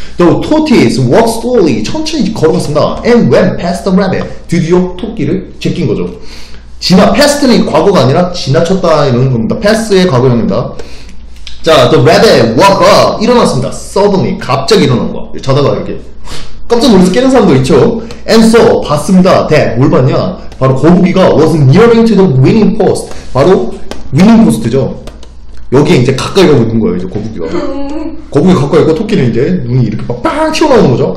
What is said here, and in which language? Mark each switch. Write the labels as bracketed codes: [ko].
[en] The tortoise walked slowly. [ko] 천천히 걸어갔습니다. [en] And went past the rabbit. [ko] 드디어 토끼를 제낀 거죠. 지나, past는 과거가 아니라 지나쳤다 이런 겁니다. past의 과거형입니다. 자, [en] the rabbit woke up. [ko] 일어났습니다. Suddenly. 갑자기 일어난 거야. 자다가 이렇게 깜짝 놀라서 깨는 사람도 있죠. And so, 봤습니다. That. 뭘 봤냐? 바로 거북이가 [en] was nearing to the winning post. [ko] 바로 winning post죠. 여기에 이제 가까이 가고 있는 거예요, 이제 거북이가. 거북이 가까이 있고 토끼는 이제 눈이 이렇게 막 빵 튀어나오는 거죠.